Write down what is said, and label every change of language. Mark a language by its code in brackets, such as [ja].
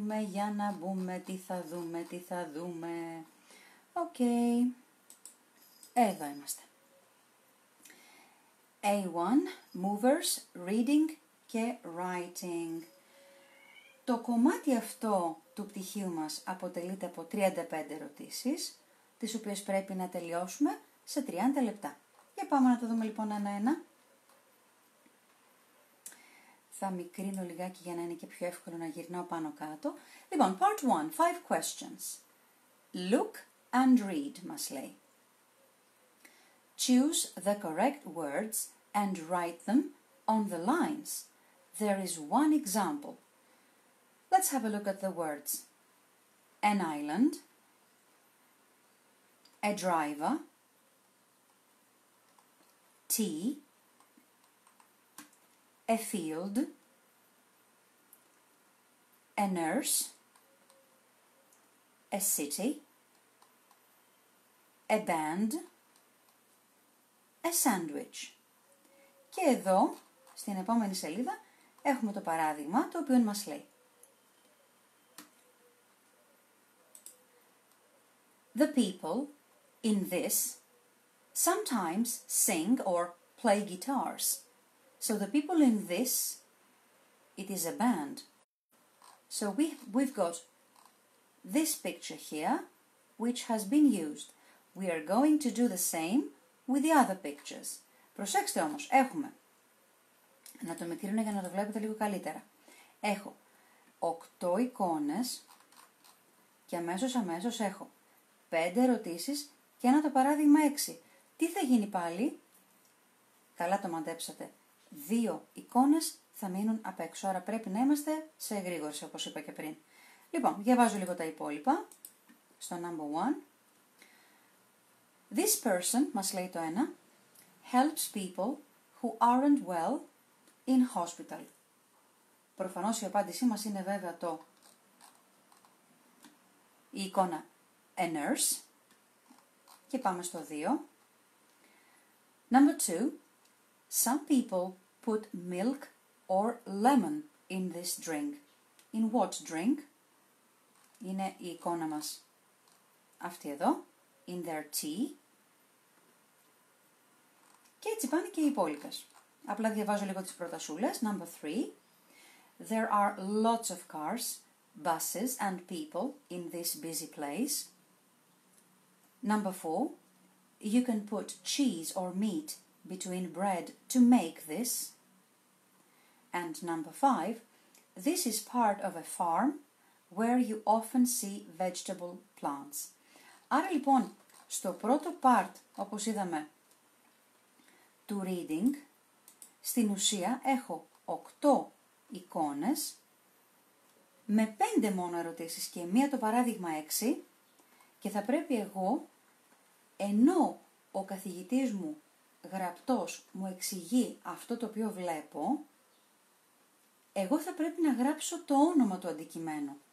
[el] Για να μπούμε, τι θα δούμε. Okay. Εδώ είμαστε. A1, movers, reading και writing. Το κομμάτι αυτό του πτυχίου μας αποτελείται από 35 ερωτήσεις, τις οποίες πρέπει να τελειώσουμε σε 30 λεπτά. Για πάμε να το δούμε λοιπόν ένα-ένα. Θα μικρύνω λιγάκι για να είναι και πιο εύκολο να γυρνάω πάνω-κάτω. [en] Λοιπόν, part 1, 5 questions. Look and read, [el] μας λέει. [en] Choose the correct words and write them on the lines. There is one example. Let's have a look at the words. An island. A driver, tea, a field, a nurse, a city, a band, a sandwich. [el] Και εδώ, στην επόμενη σελίδα, έχουμε το παράδειγμα το οποίο μας λέει. [en] The people in this, sometimes sing or play guitars. So the people in this, it is a band. So we've got this picture here, which has been used. We are going to do the same with the other pictures. [el] Προσέξτε όμως, έχουμε. Να το μικρύνω για να το βλέπετε λίγο καλύτερα. Έχω 8 εικόνες και αμέσως έχω 5 ερωτήσεις και ένα το παράδειγμα 6. Τι θα γίνει πάλι? Καλά το μαντέψατε. 2 εικόνες θα μείνουν απ' έξω. Άρα πρέπει να είμαστε σε εγρήγορση, όπως είπα και πριν. Λοιπόν, διαβάζω λίγο τα υπόλοιπα. Στο number 1. [en] This person, [el] μας λέει το 1, [en] helps people who aren't well in hospital. [el] Προφανώς η απάντησή μας είναι βέβαια το η εικόνα a nurse. Και πάμε στο 2. [en] Number 2. Some people put milk or lemon in this drink. In what drink? [el] Είναι η εικόνα μας αυτή εδώ. [en] In their tea. [el] Και έτσι πάνε και οι υπόλοιπες. Απλά διαβάζω λίγο τις προτασούλες. [en] Number 3. There are lots of cars, buses and people in this busy place. Number 4. You can put cheese or meat between bread to make this. And number 5. This is part of a farm where you often see vegetable plants. [el] Άρα λοιπόν, στο πρώτο part, όπως είδαμε, του reading, στην ουσία έχω 8 εικόνες με 5 μόνο ερωτήσεις και μία το παράδειγμα 6 και θα πρέπει εγώ, ενώ ο καθηγητής μου γραπτός μου εξηγεί αυτό το οποίο βλέπω, εγώ θα πρέπει να γράψω το όνομα του αντικειμένου.